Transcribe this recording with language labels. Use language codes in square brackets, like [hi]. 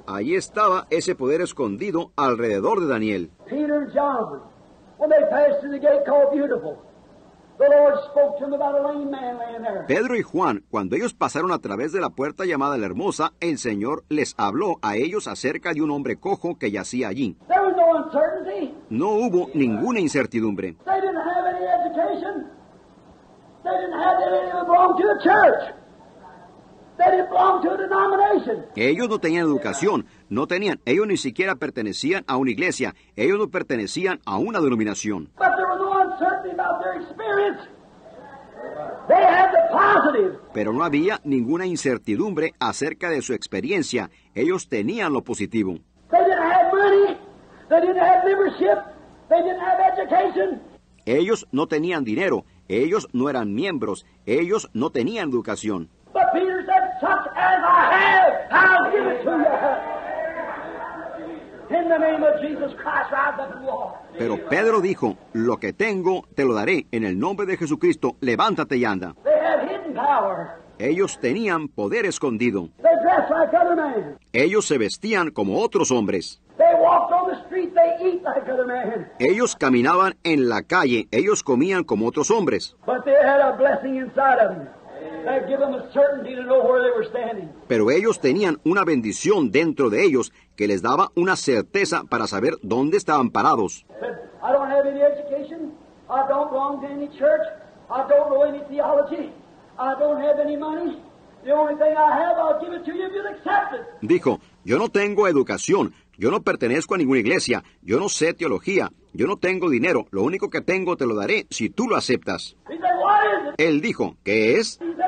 [es] Allí estaba ese poder escondido alrededor de Daniel. [en] Peter and John, when they passed through the gate called Beautiful, the Lord spoke to them about a lame man laying there. [es] Pedro y Juan, cuando ellos pasaron a través de la puerta llamada La Hermosa, el Señor les habló a ellos acerca de un hombre cojo que yacía allí. [en] There was no uncertainty. [es] No hubo ninguna incertidumbre. [en] They didn't have any education. They didn't have anything that belonged to the church. They didn't belong to a denomination. [es] Ellos no tenían educación, no tenían, ellos ni siquiera pertenecían a una iglesia, ellos no pertenecían a una denominación. [en] But there was no uncertainty about their experience. They had the positive. [es] Pero no había ninguna incertidumbre acerca de su experiencia, ellos tenían lo positivo. [en] They didn't have money, they didn't have membership, they didn't have education. [es] Ellos no tenían dinero, Ellos no eran miembros. Ellos no tenían educación. [en] But Peter said, such as I have, I'll give it to you. In the name of Jesus Christ, rise up and walk. [es] Pero Pedro dijo, lo que tengo, te lo daré. En el nombre de Jesucristo, levántate y anda. [en] They have hidden power. [es] Ellos tenían poder escondido. [en] They dressed like other men. [es] Ellos se vestían como otros hombres. [en] They walked on the street, they eat like other men. [es] Ellos caminaban en la calle. Ellos comían como otros hombres. [en] But they had a blessing inside of them. That gave them a certainty to know where they were standing. [es] Pero ellos tenían una bendición dentro de ellos que les daba una certeza para saber dónde estaban parados. [en] I don't have any education. I don't belong to any church. I don't know any theology. I don't have any money. The only thing I have, I'll give it to you if you'll accept it. [es] Dijo, yo no tengo educación. Yo no pertenezco a ninguna iglesia. Yo no sé teología. Yo no tengo dinero. Lo único que tengo te lo daré si tú lo aceptas. Él dijo, ¿qué es?